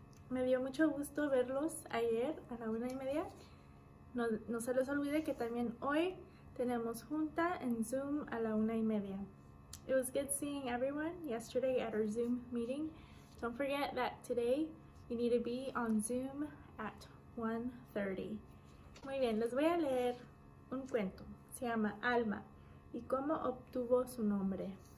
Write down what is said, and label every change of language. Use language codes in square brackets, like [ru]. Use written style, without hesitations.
[es] Me dio mucho gusto verlos ayer a la 1:30. No, no se les olvide que también hoy tenemos junta en Zoom a la 1:30. [en] It was good seeing everyone yesterday at our Zoom meeting. Don't forget that today you need to be on Zoom at 1:30. [es] Muy bien, les voy a leer un cuento. Se llama Alma y cómo obtuvo su nombre.